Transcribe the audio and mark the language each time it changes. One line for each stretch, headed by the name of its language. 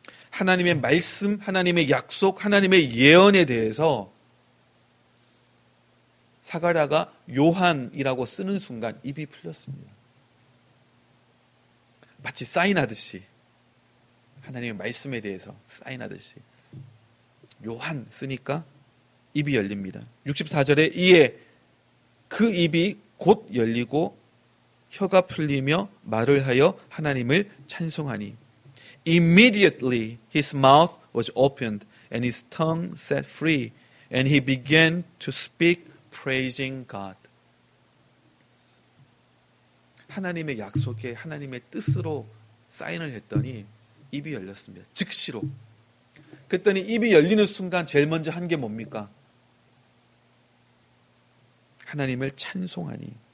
Korean: 하나님의 말씀, 하나님의 약속, 하나님의 예언에 대해서 사가랴가 요한이라고 쓰는 순간 입이 풀렸습니다. 마치 사인하듯이, 하나님의 말씀에 대해서 사인하듯이 요한 쓰니까 입이 열립니다. 64절에 이에 그 입이 곧 열리고 혀가 풀리며 말을 하여 하나님을 찬송하니
English: Immediately his mouth was opened and his tongue set free and he began to speak praising God.
Korean: 하나님의 약속에 하나님의 뜻으로 사인을 했더니 입이 열렸습니다. 즉시로. 그랬더니 입이 열리는 순간 제일 먼저 한 게 뭡니까? 하나님을 찬송하니.